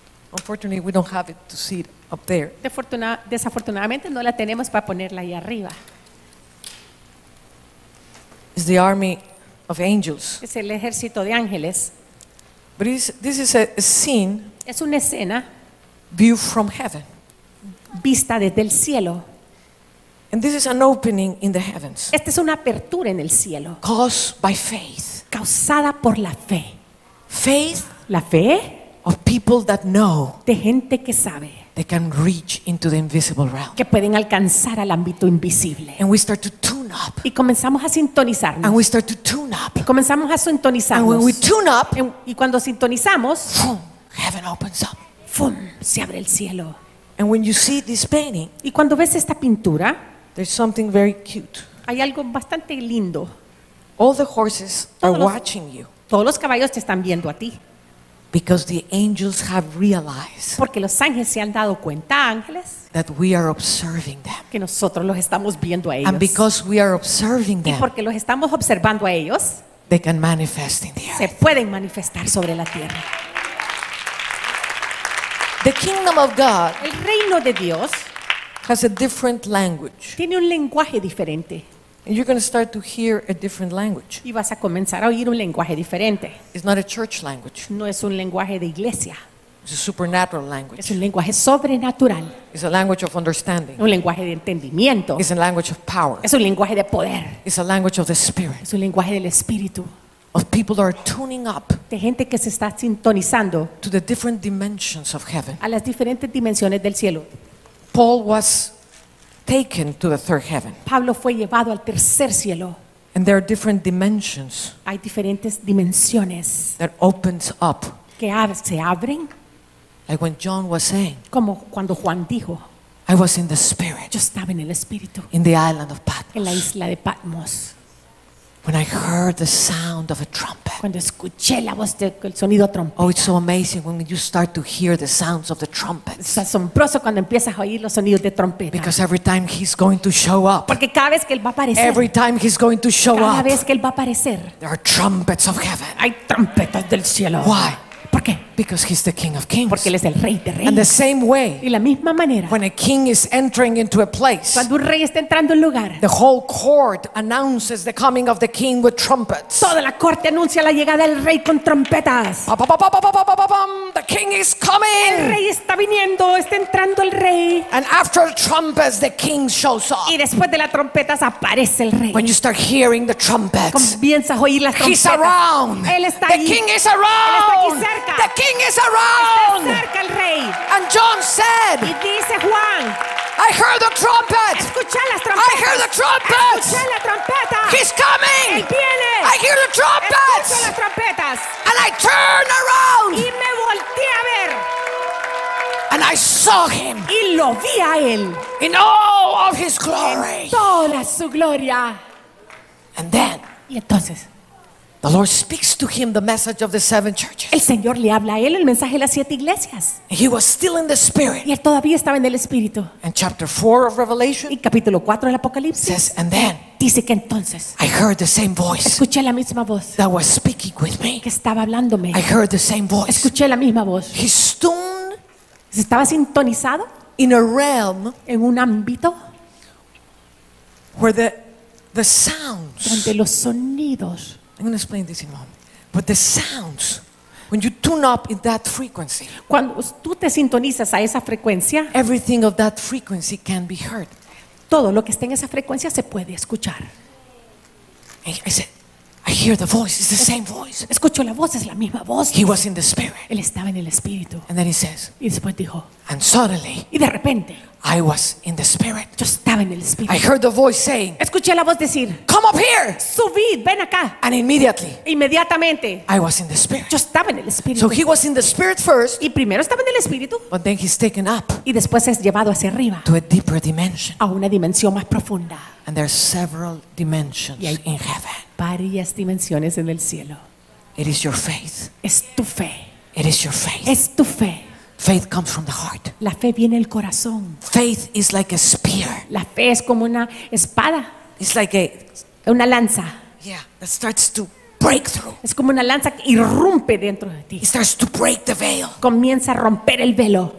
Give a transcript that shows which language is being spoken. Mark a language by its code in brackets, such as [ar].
[en] Unfortunately, we don't have it to see it up there. [es] Desafortunadamente no la tenemos para ponerla ahí arriba. [en] Is the army of angels. [es] Es el ejército de ángeles. [en] But this is a scene. [es] Es una escena. [en] View from heaven. [es] Vista desde el cielo. [en] And this is an opening in the heavens. [es] Esta es una apertura en el cielo. [en] Caused by faith. [es] Causada por la fe. [en] Faith. [es] La fe. [en] Of people that know. [es] De gente que sabe. [en] They can reach into the invisible realm. [es] Que pueden alcanzar al ámbito invisible. [en] And we start to tune up. [es] Y comenzamos a sintonizarnos. [en] And we start to tune up. [es] Y comenzamos a sintonizarnos. [en] And when we tune up. [es] Y cuando sintonizamos. [en] Boom, heaven opens up. [es] Boom, se abre el cielo. [en] And when you see this painting. [es] Y cuando ves esta pintura. [en] There's something very cute. [es] Hay algo bastante lindo. [en] All the horses are watching you. [es] Todos los caballos te están viendo a ti. [en] Because the angels have realized. [es] Porque los ángeles se han dado cuenta, ángeles. [en] That we are observing them. [es] Que nosotros los estamos viendo a ellos. [en] And because we are observing them. [es] Y porque los estamos observando a ellos. [en] They can manifest in the earth. [es] Se pueden manifestar sobre la tierra. [en] The kingdom of God. [es] El reino de Dios. [en] Has a different language. [es] Tiene un lenguaje diferente. [en] And you're going to start to hear a different language. [es] Y vas a comenzar a oír un lenguaje diferente. [en] It's not a church language. [es] No es un lenguaje de iglesia. [en] It's a supernatural language. [es] Es un lenguaje sobrenatural. [en] It's a language of understanding. [es] Un lenguaje de entendimiento. [en] It's a language of power. [es] Es un lenguaje de poder. [en] It's a language of the spirit. [es] Es un lenguaje del espíritu. [en] Of people that are tuning up. [es] De gente que se está sintonizando. [en] To the different dimensions of heaven. [es] A las diferentes dimensiones del cielo. [en] Paul was taken to the third heaven. [es] Pablo fue llevado al tercer cielo. [en] And there are different dimensions. [es] Hay diferentes dimensiones. [en] That opens up. [es] Que se abren. [en] Like when John was saying. [es] Como cuando Juan dijo. [en] I was in the spirit. [es] Yo estaba en el espíritu. [en] In the island of Patmos. [es] En la isla de Patmos. [en] When I heard the sound of a trumpet. [es] Cuando escuché la voz del sonido de trompeta. [en] Oh, it's so amazing when you start to hear the sounds of the trumpets. [es] Es asombroso cuando empiezas a oír los sonidos de trompeta. [en] Because every time he's going to show up. [es] Porque cada vez que él va a aparecer. [en] Every time he's going to show [es] cada [en] up. [es] Cada vez que él va a aparecer. [en] There are trumpets of heaven. [es] Hay trompetas del cielo. [en] Why? [es] ¿Por qué? [en] Because he's the King of Kings. [es] Porque él es el Rey de Reyes. [en] And the same way. [es] Y la misma manera. [en] When a king is entering into a place. [es] Cuando un rey está entrando a un lugar. [en] The whole court announces the coming of the king with trumpets. [es] Toda la corte anuncia la llegada del rey con trompetas. [en] Pa, pa, pa, pa, pa, pa, pa, pa, pa, the king is coming. [es] El rey está viniendo, está entrando el rey. [en] And after the trumpets the king shows up. [es] Y después de las trompetas aparece el rey. [en] When you start hearing the trumpets. [es] Comienzas a oír las trompetas. [en] He's around. [es] Él está [en] the [es] ahí. [en] King is around. [es] Él está aquí cerca. [en] The king is around. [es] Está cerca el rey. [en] And John said. [es] Y dice Juan. [en] I heard the trumpet. [es] Escuché las trompetas. [en] I heard the trumpets. [es] Escuché la trompeta. [en] He's coming. [es] Él viene. [en] I hear the trumpets. [es] Escucho las trompetas. [en] And I turn around. [es] Y me volteé a ver. [en] And I saw him. [es] Y lo vi a él. [en] In all of his glory. [es] En toda su gloria. [en] And then. [es] Y entonces. [en] The Lord speaks to him the message of the seven churches. [es] El Señor le habla a él el mensaje de las siete iglesias. [en] He was still in the spirit. [es] Y él todavía estaba en el espíritu. [en] And chapter 4 of Revelation. [es] Y capítulo 4 del Apocalipsis. [en] Says, and then. [es] Dice que entonces. [en] I heard the same voice. [es] Escuché la misma voz. [en] That was speaking with me. [es] Que estaba hablándome. [en] I heard the same voice. [es] Escuché la misma voz. [en] He's tuned. [es] Estaba sintonizado. [en] In a realm. [es] En un ámbito. [en] Where the sounds. [es] Donde los sonidos. [en] I'm going to explain this in a moment. But the sounds, when you tune up in that frequency, [es] cuando tú te sintonizas a esa frecuencia, [en] everything of that frequency can be heard. [es] Todo lo que está en esa frecuencia se puede escuchar. [en] Hey, I said, I hear the voice. It's the same voice. [es] Escucho la voz, es la misma voz. [en] He was in the spirit. [es] Él estaba en el espíritu. [en] And then he says. [es] Y después dijo. [en] And suddenly. [es] Y de repente. [en] I was in the spirit. [es] Yo estaba en el espíritu. [en] I heard the voice saying, [es] escuché la voz decir, [en] come up here. [es] Subid, ven acá. [en] And immediately, [es] inmediatamente, [en] I was in the spirit. [es] Yo estaba en el espíritu. [en] So he was in the spirit first. [es] Y primero estaba en el espíritu. [en] But then he's taken up. [es] Y después es llevado hacia arriba. [en] To a deeper dimension. [es] A una dimensión más profunda. [en] And there are several dimensions in heaven. [es] Varias dimensiones en el cielo. [en] It is your faith. [es] Es tu fe. [en] It is your faith. [es] Es tu fe. [en] Faith comes from the heart. [es] La fe viene del corazón. [en] Faith is like a spear. [es] La fe es como una espada. [en] It's like a [es] una lanza. [en] Yeah, that starts to break through. [es] Es como una lanza que irrumpe dentro de ti. [en] It starts to break the veil. [es] Comienza a romper el velo.